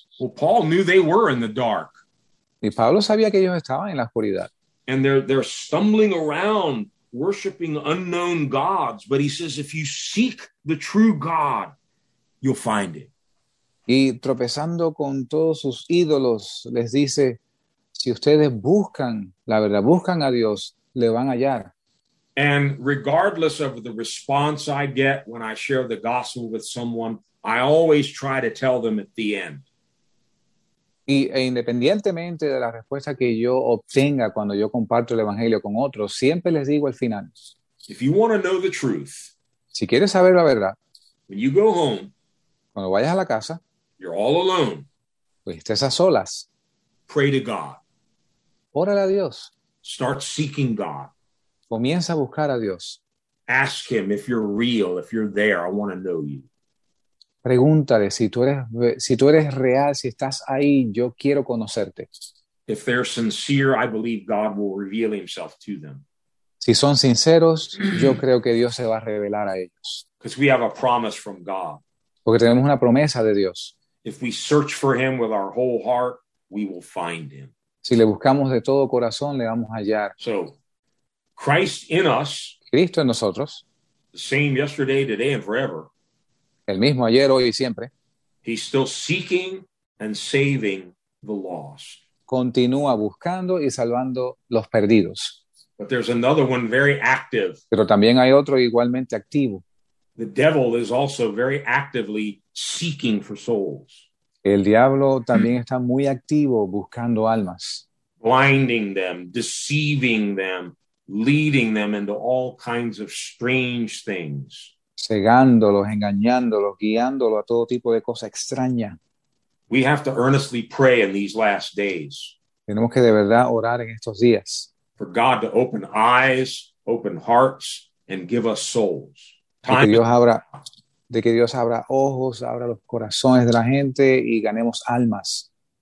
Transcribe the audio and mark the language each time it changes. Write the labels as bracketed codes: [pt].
[en] Well, Paul knew they were in the dark. [es] Y Pablo sabía que ellos estaban en la oscuridad. [en] And they're stumbling around, worshiping unknown gods. But he says, if you seek the true God, you'll find it. [es] Y tropezando con todos sus ídolos, les dice, si ustedes buscan la verdad, buscan a Dios, le van a hallar. [en] And regardless of the response I get when I share the gospel with someone, I always try to tell them at the end. [es] Y independientemente de la respuesta que yo obtenga cuando yo comparto el evangelio con otros, siempre les digo al final. [en] If you want to know the truth, [es] si quieres saber la verdad, [en] when you go home, [es] cuando vayas a la casa, [en] you're all alone, [es] pues estés a solas. [en] Pray to God. [es] Órale a Dios. [en] Start seeking God. [es] Comienza a buscar a Dios. [en] Ask him if you're real, if you're there. I want to know you. [es] Pregúntale si tú eres real, si estás ahí, yo quiero conocerte. [en] If they're sincere, I believe God will reveal himself to them. [es] Si son sinceros, yo creo que Dios se va a revelar a ellos. [en] Because we have a promise from God. [es] Porque tenemos una promesa de Dios. [en] If we search for him with our whole heart, we will find him. [es] Si le buscamos de todo corazón, le vamos a hallar. [en] So, Christ in us, [es] Cristo en nosotros, [en] same yesterday, today, and forever. [es] El mismo ayer, hoy y siempre. [en] He's still seeking and saving the lost. [es] Continúa buscando y salvando los perdidos. [en] But there's another one very active. [es] Pero también hay otro igualmente activo. [en] The devil is also very actively seeking for souls. [es] El diablo también está muy activo buscando almas. [en] Blinding them, deceiving them, leading them into all kinds of strange things. [es] Cegándolos, engañándolos, guiándolos a todo tipo de cosa extraña. [en] We have to earnestly pray in these last days. [es] Tenemos que de verdad orar en estos días. [en] For God to open eyes, open hearts, and give us souls. [es] Time de que Dios abra ojos, abra los corazones de la gente y ganemos almas.